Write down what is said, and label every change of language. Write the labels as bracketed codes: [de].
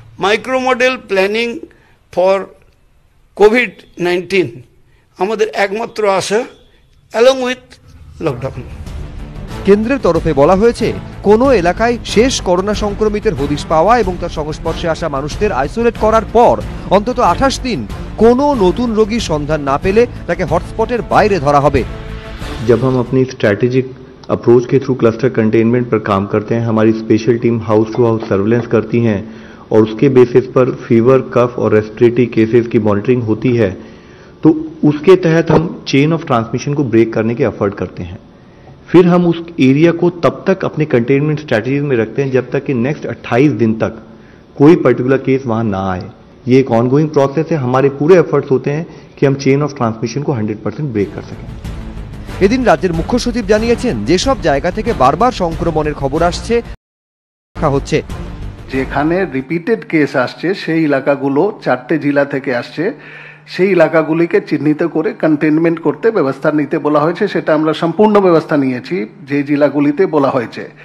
[en] micro model planning for COVID-19 [bn] আমাদের একমাত্র আশা [en] Along with lockdown. [bn] কেন্দ্রের তরফে বলা হয়েছে কোনো এলাকায় শেষ করোনা সংক্রমিতের হদিশ পাওয়া এবং তার সংস্পর্শে আসা মানুষদের আইসোলেট করার পর অন্তত 28 দিন কোনো নতুন রোগীর সন্ধান না পেলে তাকে হটস্পটের বাইরে ধরা হবে। [hi] जब हम अपनी स्ट्रैटेजिक अप्रोच के थ्रू क्लस्टर कंटेनमेंट पर काम करते हैं, हमारी special team house to house surveillance करती हैं और उसके बेसिस पर फीवर, कफ और रेस्पिरेटरी केसेस की मॉनिटरिंग होती है, तो उसके तहत हम चेन ऑफ ट्रांसमिशन को ब्रेक करने के एफर्ट करते हैं। फिर हम उस एरिया को तब तक अपने कंटेनमेंट स्ट्रैटेजी में रखते हैं जब तक कि नेक्स्ट 28 दिन तक कोई पर्टिकुलर केस वहां ना आए। ये एक ऑनगोइंग प्रोसेस है, हमारे पूरे एफर्ट्स होते हैं कि हम चेन ऑफ ट्रांसमिशन को 100% ब्रेक कर सकें। [bn] এদিন রাজ্যের মুখ্য সচিব জানিয়েছেন যেসব জায়গা থেকে বারবার সংক্রমণের খবর আসছে রাখা হচ্ছে, যেখানে রিপিটেড কেস আসছে সেই এলাকাগুলো, 4টি জেলা থেকে আসছে সেই এলাকাগুলিকে চিহ্নিত করে কন্টেনমেন্ট করতে ব্যবস্থা নিতে বলা হয়েছে, সেটা আমরা সম্পূর্ণ ব্যবস্থা নিয়েছি যে জেলাগুলিতে বলা হয়েছে।